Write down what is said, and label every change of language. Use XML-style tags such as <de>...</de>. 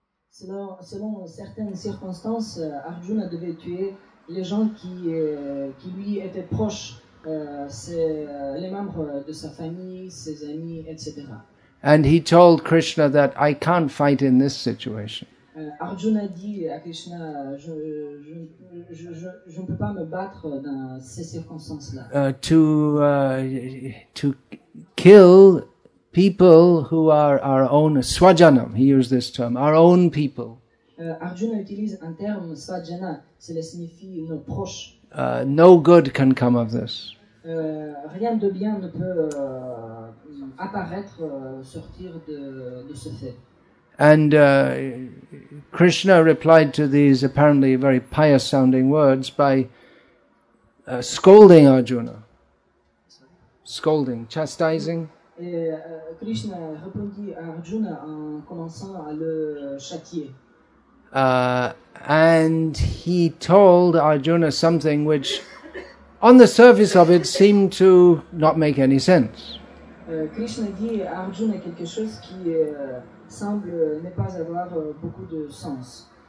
<fr>Selon certaines circonstances, Arjuna devait tuer les gens qui lui étaient proches. C'est les membres de sa famille, ses amis, etc.</fr> <en>And he told Krishna that I can't fight in this situation.</en> <fr>Arjuna dit à Krishna, je ne peux pas me battre dans ces circonstances-là.</fr> <en>To kill people who are our own swajanam, he used this term, our own people.</en> <fr>Arjuna utilise un terme swajana, cela signifie nos proches.</fr> <en>No good can come of this.</en> <fr>Rien de bien ne peut apparaître, sortir de ce fait.</fr> <en>And Krishna replied to these apparently very pious-sounding words by scolding Arjuna. scolding, chastising.</en> <fr>Et Krishna répondit à Arjuna en commençant à le châtier.</fr> <en>And he told Arjuna something which, on the surface of it, seemed to not make any sense.</en> <fr>Krishna dit à Arjuna quelque chose qui semble ne pas avoir beaucoup de sens.</fr>